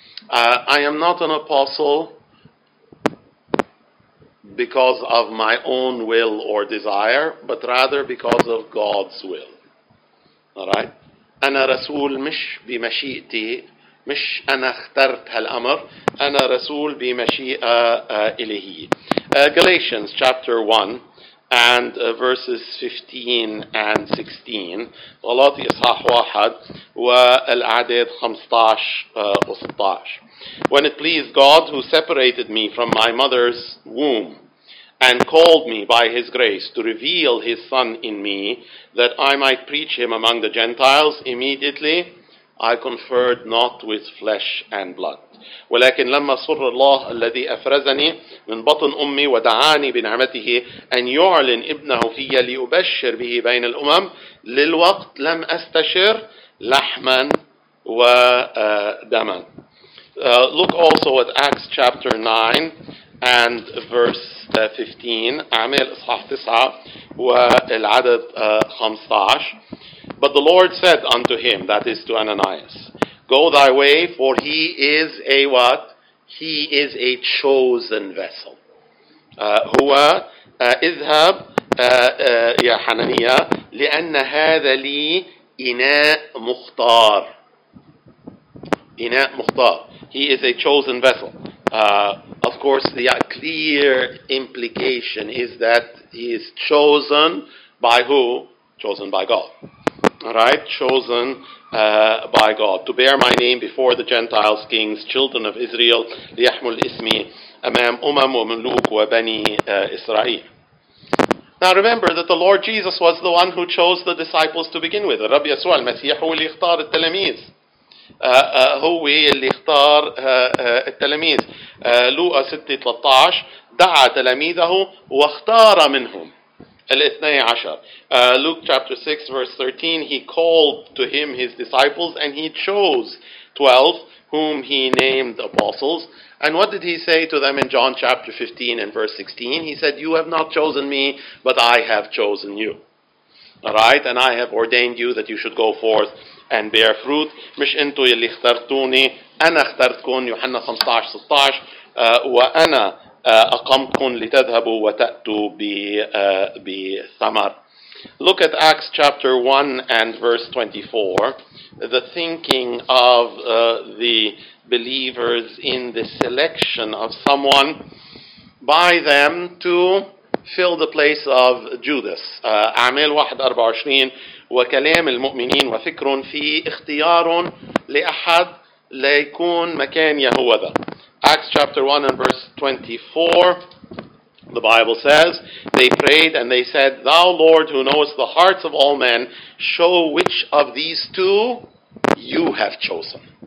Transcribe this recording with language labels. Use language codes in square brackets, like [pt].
[en] I am not an apostle because of my own will or desire, but rather because of God's will. Alright? [ar] أنا رسول مش بمشيئتي, مش أنا اخترت هالأمر, أنا رسول بمشيئة إلهية. [en] Galatians chapter 1 and verses 15 and 16. [ar] غلاطي إصحاح 1 والأعداد 15 و16. [en] When it pleased God who separated me from my mother's womb and called me by his grace to reveal his son in me that I might preach him among the Gentiles, immediately I conferred not with flesh and blood. [ar] ولكن لما سر الله الذي أفرزني من بطن أمي ودعاني بنعمته أن يعلن ابنه في ليبشر به بين الأمم, للوقت لم أستشر لحما ودما. [en] Look also at Acts chapter 9 and verse 15. [ar] أعمال إصحاح 9 والعدد 15. [en] But the Lord said unto him, that is to Ananias, go thy way, for he is a what? He is a chosen vessel. [ar] هو اذهب يا حنانيا لأن هذا لي إناء مختار. إناء مختار. [en] He is a chosen vessel. Of course, the clear implication is that he is chosen by who? Chosen by God. Alright? Chosen by God. To bear my name before the Gentiles, kings, children of Israel, [ar] ليحمل اسمي أمام أمم وملوك وبني إسرائيل. [en] Now remember that the Lord Jesus was the one who chose the disciples to begin with. [ar] الرب يسوع المسيح هو اللي اختار التلاميذ. هو اللي اختار التلاميذ. لوقا 6:13 دعا تلاميذه واختار منهم الاثني عشر. [en] Luke chapter 6 verse 13, he called to him his disciples and he chose 12 whom he named apostles. And what did he say to them in John chapter 15 and verse 16? He said, you have not chosen me, but I have chosen you. Alright, and I have ordained you that you should go forth and bear fruit. [ar] مش انتو يلي اخترتوني, انا اخترتكم. يوحنا 15:16 وانا اقمتكم لتذهبوا وتأتوا بثمر. [en] Look at Acts chapter 1 and verse 24. The thinking of the believers in the selection of someone by them to fill the place of Judas. [ar] أعمال 1:24 وكلام المؤمنين وفكر في اختيار لأحد ليكون مكان يهوذا. [en] Acts chapter 1 and verse 24, the Bible says, they prayed and they said, thou Lord who knowest the hearts of all men, show which of these two you have chosen.